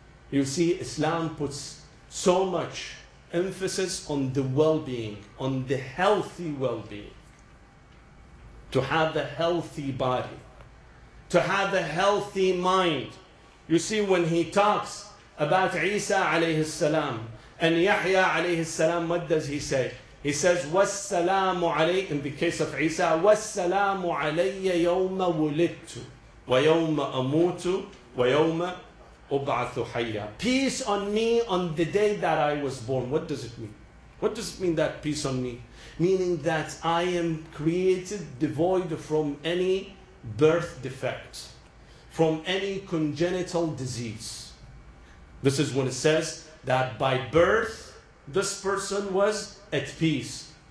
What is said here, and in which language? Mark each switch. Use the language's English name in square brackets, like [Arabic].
[English] You see, Islam puts so much emphasis on the well-being, on the healthy well-being. To have a healthy body. To have a healthy mind. You see, when he talks about Isa alayhi salam and Yahya alayhi salam, what does he say? He says, [Arabic] وَالسَّلَامُ عَلَيْهِ, [English] in the case of Isa, [Arabic] وَالسَّلَامُ عَلَيَّ يَوْمَ وُلِدْتُ وَيَوْمَ أَمُوتُ وَيَوْمَ أُبْعَثُ حَيَّا. [English] Peace on me on the day that I was born. What does it mean? What does it mean that peace on me? Meaning that I am created devoid from any birth defect, from any congenital disease. This is when it says that by birth, this person was at peace.